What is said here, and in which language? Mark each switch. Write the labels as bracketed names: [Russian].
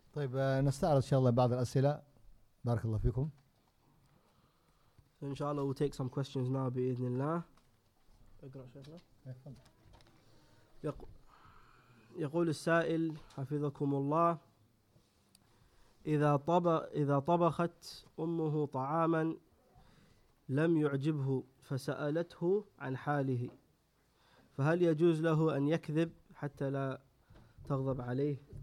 [Arabic] طيب نستعرض إن شاء الله بعض الأسئلة، بارك الله فيكم. إن شاء الله [English] we'll take some questions now [Arabic] بإذن الله. اقرأ شيخنا. يقول السائل حفظكم الله: إذا طبخت أمه طعاما لم يعجبه فسألته عن حاله، فهل يجوز له أن يكذب حتى لا تغضب عليه؟